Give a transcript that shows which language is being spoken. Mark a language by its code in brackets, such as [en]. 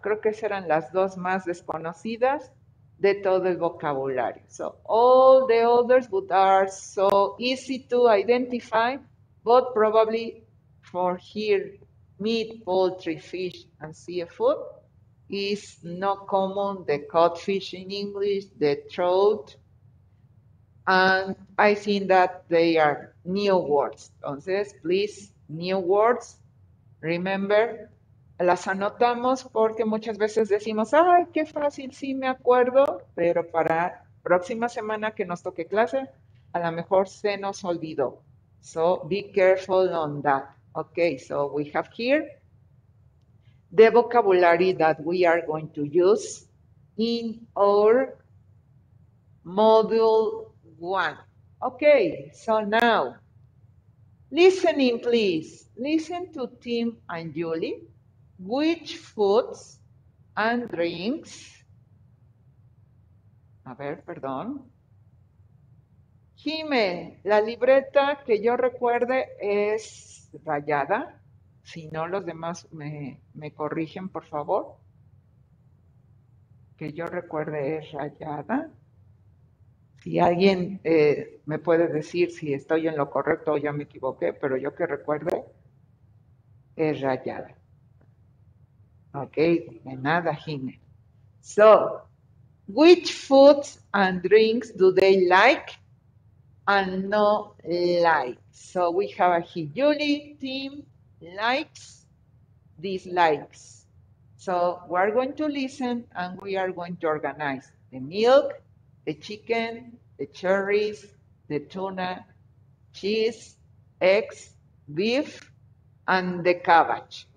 [es] Creo que serán las dos más desconocidas de todo el vocabulario. [en] So, all the others would are so easy to identify, but probably for here, meat, poultry, fish, and seafood is not common, the codfish in English, the trout. And I think that they are new words. [es] Entonces, [en] please, new words, remember, [es] las anotamos porque muchas veces decimos, ay, qué fácil, sí me acuerdo, pero para próxima semana que nos toque clase, a lo mejor se nos olvidó. [en] So, be careful on that. Okay, so we have here the vocabulary that we are going to use in our module one. Okay, so now, listening, please. Listen to Tim and Julie. Which foods and drinks? [es] A ver, perdón. Jime, la libreta que yo recuerde es rayada. Si no, los demás me corrigen, por favor. Que yo recuerde es rayada. Si alguien me puede decir si estoy en lo correcto o ya me equivoqué, pero yo que recuerde, es rayada. Ok, de nada, Jimé. [en] So, which foods and drinks do they like and no like? So, we have a he, Julie, Tim, likes, dislikes. So, we're going to listen and we are going to organize the milk, the chicken, the cherries, the tuna, cheese, eggs, beef, and the cabbage.